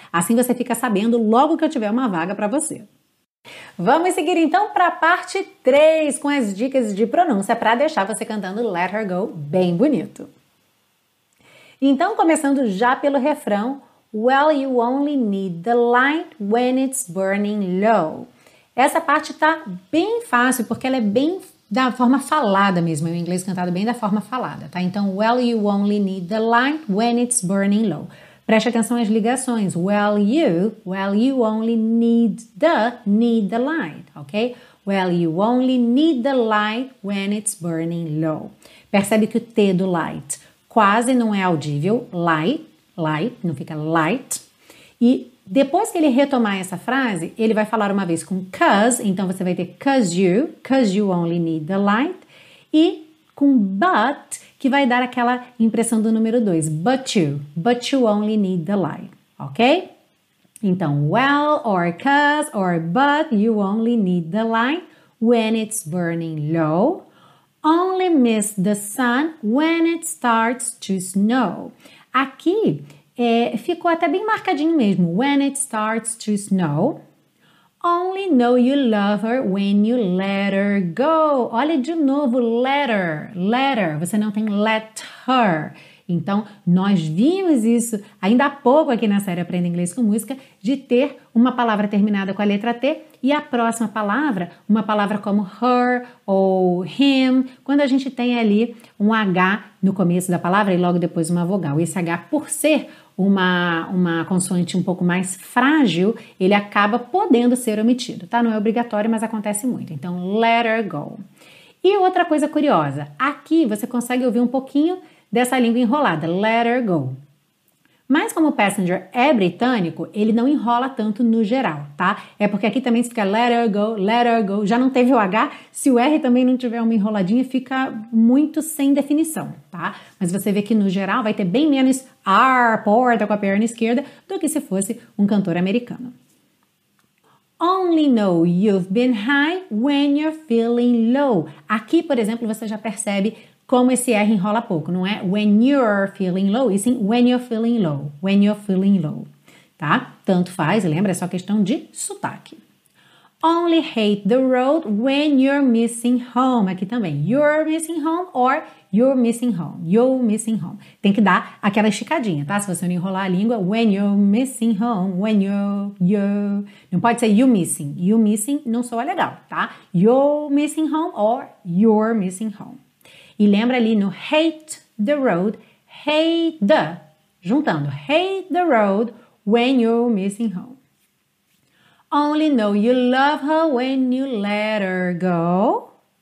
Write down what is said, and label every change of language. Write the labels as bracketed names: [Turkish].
[Portuguese] Assim você fica sabendo logo que eu tiver uma vaga para você. Vamos seguir então para a parte 3 com as dicas de pronúncia para deixar você cantando Let Her Go bem bonito. Então, começando já pelo refrão, [English] well, you only need the light when it's burning low. [Portuguese] Essa parte tá bem fácil, porque ela é bem da forma falada mesmo, em inglês cantado bem da forma falada, tá? [English] Então, well, you only need the light when it's burning low. [Portuguese] Preste atenção às ligações, [English] well, you only need the light, ok? Well, you only need the light when it's burning low. [Portuguese] Percebe que o T do light quase não é audível, light, light, não fica light. E depois que ele retomar essa frase, ele vai falar uma vez com cause, então você vai ter [English] cause you only need the light. [Portuguese] E com but, que vai dar aquela impressão do número 2, [English] but you only need the light, [Portuguese] ok? [English] Então, well, or cause, or but, you only need the light when it's burning low. Only miss the sun when it starts to snow. [Portuguese] Aqui ficou até bem marcadinho mesmo. [English] When it starts to snow. Only know you love her when you let her go. [Portuguese] Olha de novo, letter. Você não tem let her. Então, nós vimos isso ainda há pouco aqui na série Aprenda Inglês com Música, de ter uma palavra terminada com a letra T e a próxima palavra, uma palavra como her ou him, quando a gente tem ali um H no começo da palavra e logo depois uma vogal. Esse H, por ser uma consoante um pouco mais frágil, ele acaba podendo ser omitido, tá? Não é obrigatório, mas acontece muito. Então, [English] let her go. [Portuguese] E outra coisa curiosa, aqui você consegue ouvir um pouquinho dessa língua enrolada, let her go. Mas como o passenger é britânico, ele não enrola tanto no geral, tá? É porque aqui também fica [English] let her go, [Portuguese] já não teve o H, se o R também não tiver uma enroladinha, fica muito sem definição, tá? Mas você vê que no geral vai ter bem menos R, porta com a perna esquerda, do que se fosse um cantor americano. [English] only know you've been high when you're feeling low. [Portuguese] Aqui, por exemplo, você já percebe como esse R enrola pouco, não é? [English] When you're feeling low, e sim when you're feeling low. When you're feeling low. [Portuguese] Tá? Tanto faz, lembra? É só questão de sotaque. [English] Only hate the road when you're missing home. [Portuguese] Aqui também. [English] You're missing home or you're missing home. You're missing home. [Portuguese] Tem que dar aquela esticadinha, tá? Se você não enrolar a língua. [English] When you're missing home. When you're... [Portuguese] Não pode ser you missing. [English] You missing [Portuguese] não soa legal, tá? [English] You're missing home or you're missing home. [Portuguese] E lembra ali no [English] hate the road. Hate the. [Portuguese] Juntando. [English] Hate the road when you're missing home. Only know you love her when you let her go.